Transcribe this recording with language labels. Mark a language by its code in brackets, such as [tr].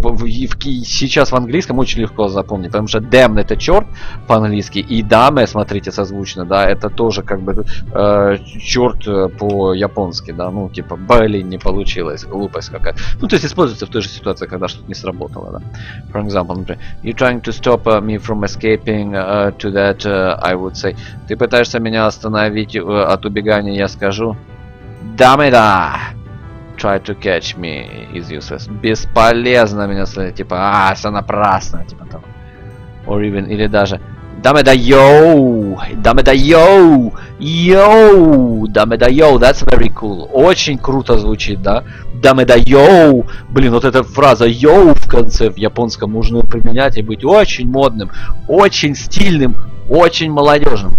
[ru] Сейчас в английском очень легко запомнить. Потому что damn это черт по-английски. И dame, смотрите, созвучно. Да, это тоже как бы черт по-японски. Да, ну типа, блин, не получилось. Глупость какая-то. Ну то есть используется в той же ситуации, когда что-то не сработало. Да. [en] For example, [ru] например, [en] you're trying to stop me from escaping to that, I would say. [ru] Ты пытаешься меня остановить. От убегания я скажу [ja] даме да [en] try to catch me is useless, [ru] бесполезно меня слышать, типа все напрасно, типа там [en] or even, [ru] или даже даме да йоу, даме да йоу, йоу, даме да йоу, [en] that's very cool, [ru] очень круто звучит, да, [ja] даме да йоу, [ru] блин, вот эта фраза йоу в конце в японском нужно применять и быть очень модным, очень стильным, очень молодежным.